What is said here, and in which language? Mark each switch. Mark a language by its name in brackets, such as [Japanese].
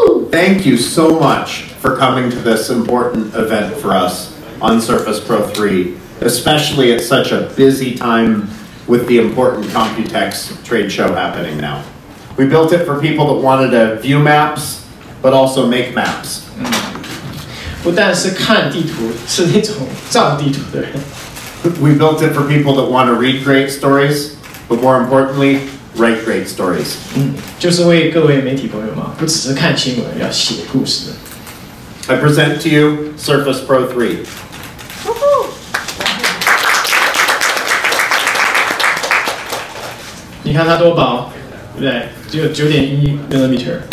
[English] Thank you so much for coming to this important event for us on Surface Pro 3, especially at such a busy time with the important Computex trade show happening now. We built it for people that wanted to view maps, but also make maps. [Chinese] 不但是看地图，是那种造地图的人。 [English] We built it for people that want to read great stories, but more importantly, write great stories. [Chinese] 就是为各位媒体朋友嘛，不只是看新闻，要写故事。 [English] I present to you Surface Pro 3. [Chinese] Woohoo! 你看它多薄，对不对？只有9.1mm。